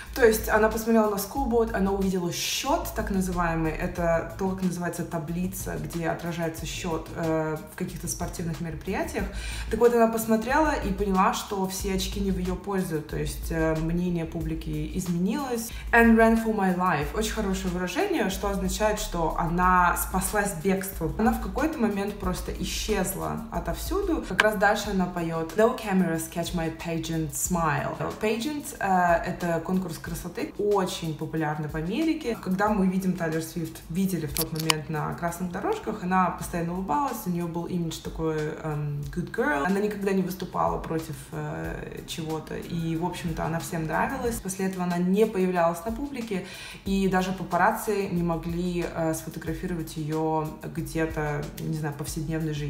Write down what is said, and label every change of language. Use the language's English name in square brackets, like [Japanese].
[Russian] То есть она посмотрела на scoreboard, она увидела счет, так называемый, это то, как называется таблица, где отражается счет в каких-то спортивных мероприятиях. Так вот, она посмотрела и поняла, что все очки не в ее пользу, то есть мнение публики изменилось. [English] And ran for my life. [Russian] Очень хорошее выражение, что означает, что она спаслась бегством. Она в какой-то момент просто исчезла отовсюду. Как раз дальше она поет [English] No cameras catch my pageant smile. [Russian] Pageant это конкурс красоты, очень популярный в Америке. Когда мы видим Тайлор Свифт, видели в тот момент на красных дорожках, она постоянно улыбалась, у нее был имидж такой [English] good girl. [Russian] Она никогда не выступала против чего-то. И, в общем-то, она всем нравилась. После этого она не появлялась на публике, и даже папарацци не могли сфотографировать ее где-то, не знаю, в повседневной жизни.